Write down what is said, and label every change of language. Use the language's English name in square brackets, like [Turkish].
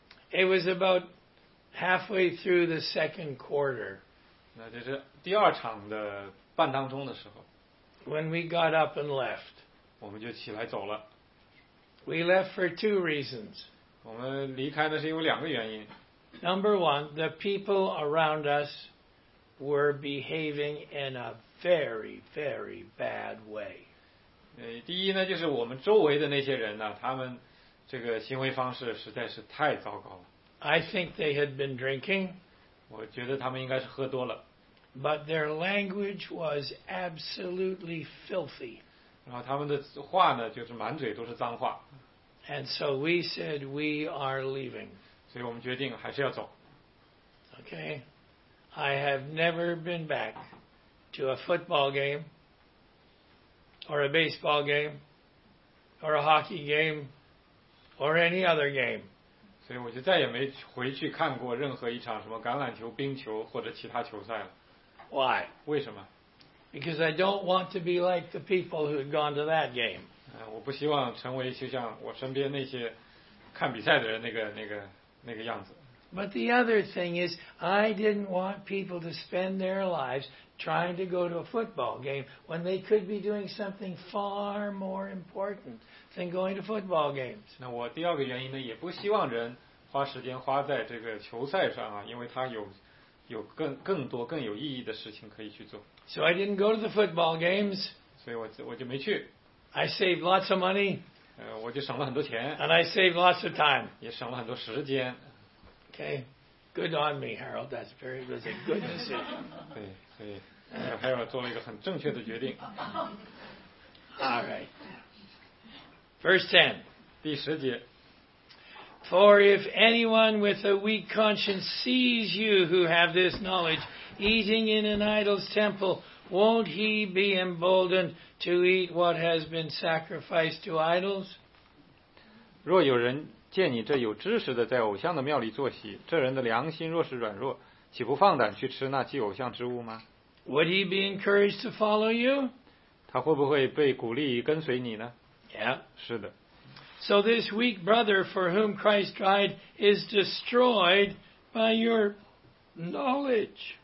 [English] It was about halfway through the second quarter. [Chinese] 那就是第二场的半当中的时候。 [English] When we got up and left. [Chinese] 我们就起来走了。 [English] We left for two reasons. [Chinese] 我们离开的是因为两个原因。 [English] Number one, the people around us were behaving in a very, very bad way. [Chinese] 第一呢，就是我们周围的那些人呢，他们这个行为方式实在是太糟糕了。 [English] I think they had been drinking. [Chinese] 我觉得他们应该是喝多了。 [English] But their language was absolutely filthy. [Chinese] 然后他们的话呢，就是满嘴都是脏话。 [English] And so we said we are leaving. [Chinese] 所以我们决定还是要走。 [English] Okay. I have never been back to a football game or a baseball game or a hockey game or any other game. [Chinese] 所以我就再也没回去看过任何一场什么橄榄球、冰球或者其他球赛了。 [English] Why? [Chinese] 为什么？ [English] Because I don't want to be like the people who had gone to that game. [Chinese] 我不希望成为就像我身边那些看比赛的人那个样子。 [English] But the other thing is, I didn't want people to spend their lives trying to go to a football game when they could be doing something far more important than going to football games. [Chinese] 那我第二个原因呢，也不希望人花时间花在这个球赛上啊，因为他有更多更有意义的事情可以去做。 [English] So I didn't go to the football games. [Chinese] 所以我就没去。 [English] I saved lots of money. [Chinese] 我就省了很多钱。 [English] And I saved lots of time. [Chinese] 也省了很多时间。 [English] Okay, good on me, Harold. That's very good. That's a good decision. [Chinese] 对，Harold 做了一个很正确的决定。 [English] All right. Verse 10. [Chinese] 第十节。 [English] For if anyone with a weak conscience sees you who have this knowledge eating in an idol's temple, won't he be emboldened to eat what has been sacrificed to idols? [Chinese] 若有人见你这有知识的在偶像的庙里坐席，这人的良心若是软弱，岂不放胆去吃那祭偶像之物吗？ [English] Would he be encouraged to follow you? [Chinese] 他会不会被鼓励跟随你呢？ [English] Yeah. [Chinese] 是的。 [English] So this weak brother for whom Christ died is destroyed by your knowledge.